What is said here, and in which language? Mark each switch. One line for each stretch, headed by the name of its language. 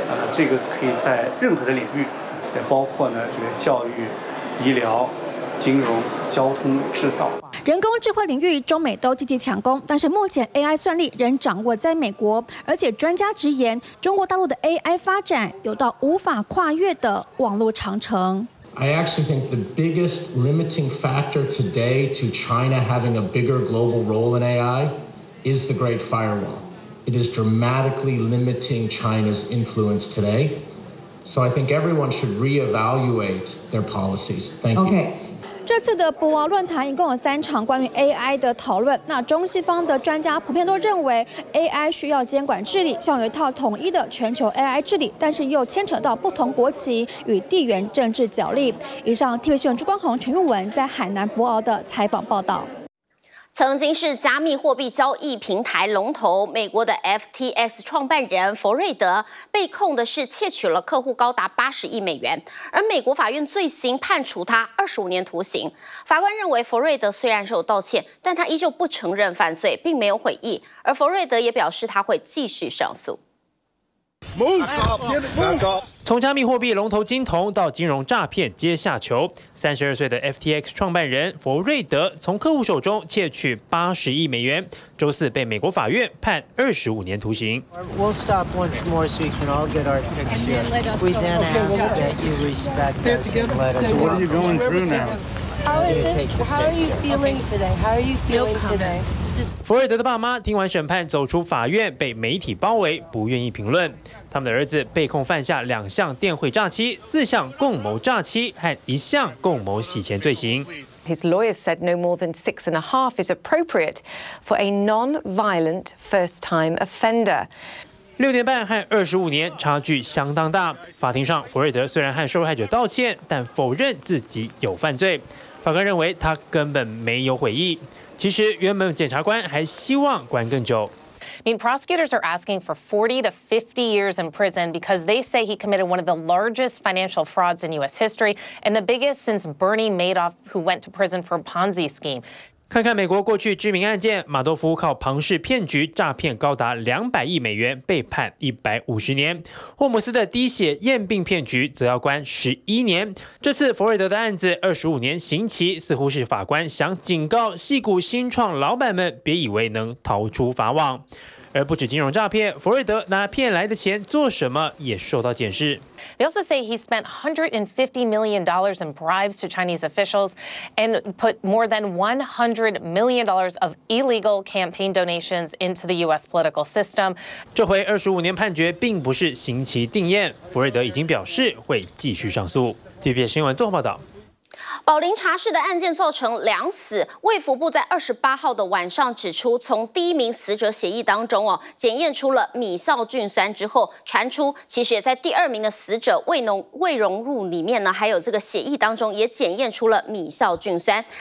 Chinese: 这个可以在任何的领域。也包括呢，这个教育、医疗、金融、交通、制造。人工智慧领域，中美都积极抢攻，但是目前 AI 算力仍掌握在美国，而且专家直言，中国大陆的 AI 发展有到无法跨越的网络长城。
English: I actually think the biggest limiting factor today to China having a bigger global role in AI is the Great Firewall. It is dramatically limiting China's influence today. So I think everyone should reevaluate their policies. Thank you. Okay.
Chinese: 这次的博鳌论坛一共有3场关于 AI 的讨论。那中西方的专家普遍都认为 AI 需要监管治理，像有一套统一的全球 AI 治理，但是又牵扯到不同国旗与地缘政治角力。以上 TVB 新闻朱光宏、陈玉文在海南博鳌的采访报道。曾经是加密货币交易平台龙头美国的 FTX 创办人佛瑞德被控的是窃取了客户高达80亿美元，而美国法院最新判处他25年徒刑。法官认为佛瑞德虽然是有道歉，但他依旧不承认犯罪，并没有悔意。而佛瑞德也表示他会继续上诉。从加密货币龙头金童到金融诈骗接下球，32岁的 FTX 创办人佛瑞德从客户手中窃取80亿美元，周四被美国法院判25年徒刑。
English: We'll stop once more so we can all get our picture. We then ask that you respect us and let us. So what are you going through now? How are you feeling today?
Chinese: 佛瑞德的爸妈听完审判走出法院，被媒体包围，不愿意评论。他们的儿子被控犯下2项电汇诈欺、4项共谋诈欺和1项共谋洗钱罪行。
English: His lawyers said no more than 6.5 is appropriate for a non-violent first-time offender.
Chinese: 6.5和25年差距相当大。法庭上，佛瑞德虽然和受害者道歉，但否认自己有犯罪。法官认为他根本没有悔意。其实原本检察官还希望关更久。
English: I mean, prosecutors are asking for 40 to 50 years in prison because they say he committed one of the largest financial frauds in U.S. history and the biggest since Bernie Madoff, who went to prison for a Ponzi scheme.
Chinese: 看看美国过去知名案件，马多夫靠庞氏骗局诈骗高达200亿美元，被判150年。霍姆斯的滴血验病骗局则要关11年。这次佛瑞德的案子25年刑期，似乎是法官想警告矽谷新创老板们，别以为能逃出法网。而不止金融诈骗，佛瑞德拿骗来的钱做什么也受到检视。
English: They also say he spent $150 million in bribes to Chinese officials and put more than $100 million of illegal campaign donations into the U.S. political system.
Chinese: 这回25年判决并不是刑期定验，佛瑞德已经表示会继续上诉。 TVBS 新闻综合报道。宝林茶室的案件造成两死，卫福部在28号的晚上指出，从第一名死者血液当中哦，检验出了米酵菌酸之后，传出其实也在第二名的死者胃溶入里面呢，还有这个血液当中也检验出了米酵菌酸。